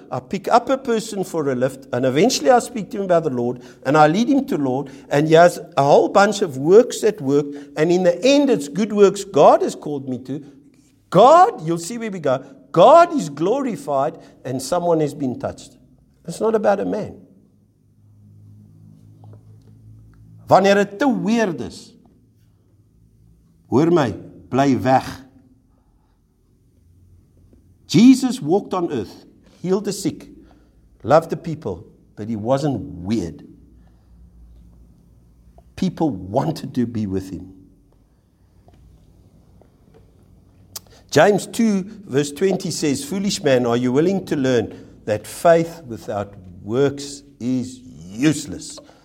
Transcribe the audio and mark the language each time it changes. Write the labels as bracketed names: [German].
[English] I pick up a person for a lift, and eventually I speak to him about the Lord, and I lead him to the Lord, and he has a whole bunch of works at work, and in the end, it's good works God has called me to. God, you'll see where we go, God is glorified, and someone has been touched. It's not about a man. [Afrikaans] Wanneer het te weird is, hoor my, bly weg. [English] Jesus walked on earth, healed the sick, loved the people, but he wasn't weird. People wanted to be with him. James 2 verse 20 says, foolish man, are you willing to learn that faith without works is useless?